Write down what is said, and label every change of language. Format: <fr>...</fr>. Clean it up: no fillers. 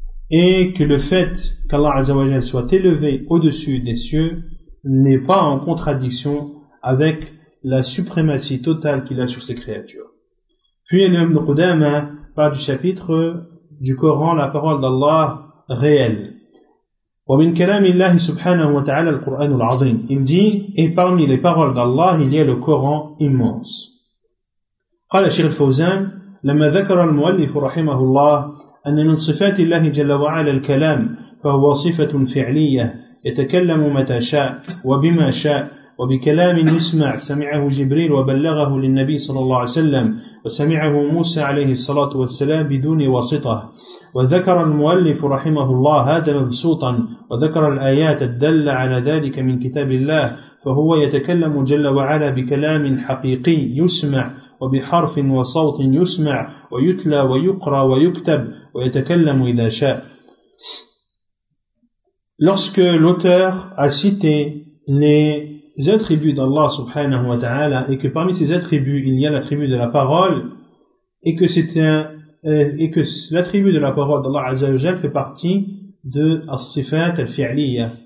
<fr>Et que le fait qu'Allah Azza wa Jal soit élevé au-dessus des cieux n'est pas en contradiction avec la suprématie totale qu'il a sur ses créatures. Puis l'imam de Qudama parle du chapitre du Coran, la parole d'Allah réelle.</fr> <ar>ومن كلام الله سبحانه وتعالى القرآن العظيم.</ar> <fr>Il dit, et parmi les paroles d'Allah, il y a le Coran immense.</fr> <ar>قال الشيخ الفوزان لما ذكر المؤلف رحمه الله أن من صفات الله جل وعلا الكلام فهو صفة فعلية يتكلم متى شاء وبما شاء وبكلام يسمع سمعه جبريل وبلغه للنبي صلى الله عليه وسلم وسمعه موسى عليه الصلاة والسلام بدون واسطة وذكر المؤلف رحمه الله هذا مبسوطا وذكر الآيات الدالة على ذلك من كتاب الله فهو يتكلم جل وعلا بكلام حقيقي يسمع وبحرف وصوت يسمع ويتلى ويقرأ ويكتب ويتكلم إذا شاء.</ar> <fr>Lorsque l'auteur a cité les attributs d'Allah subhanahu wa ta'ala et que parmi ces attributs il y a l'attribut de la parole et que c'est un et que l'attribut de la parole d'Allah Azza wa Jal fait partie de As-Sifat al-Fi'liya.</fr>